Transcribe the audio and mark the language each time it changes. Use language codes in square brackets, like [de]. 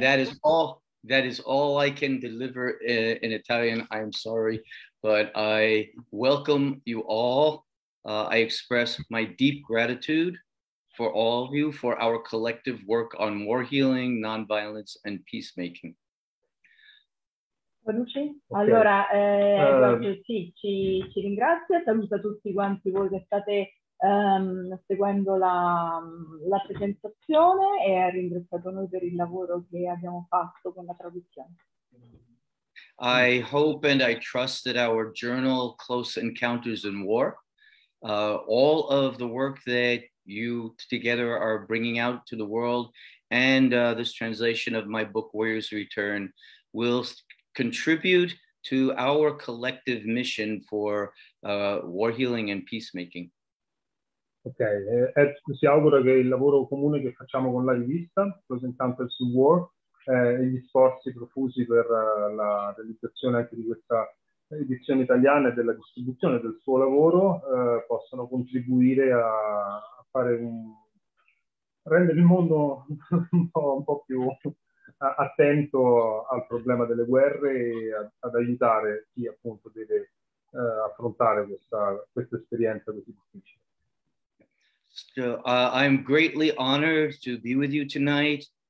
[en] that is all I can deliver in Italian. I'm sorry, but I welcome you all. I express my deep gratitude for all of you for our collective work on war healing, nonviolence, and peacemaking. Luci? Okay. [it] Allora, Edward, sì, ci ringrazia, saluta tutti quanti voi che state seguendo la presentazione e ha ringraziato noi per il lavoro che abbiamo fatto con la traduzione. [en] I hope and I trust that our journal Close Encounters in War, all of the work that you together are bringing out to the world, and this translation of my book Warriors Return will contribute to our collective mission for war healing and peacemaking. [it] Ok, si augura che il lavoro comune che facciamo con la rivista, Close Encounters in War, e gli sforzi profusi per la realizzazione anche di questa edizione italiana e della distribuzione del suo lavoro, possano contribuire a fare rendere il mondo un po' più attento al problema delle guerre e ad aiutare chi appunto deve affrontare questa esperienza così difficile. [en] So, I'm greatly honored to be with you tonight.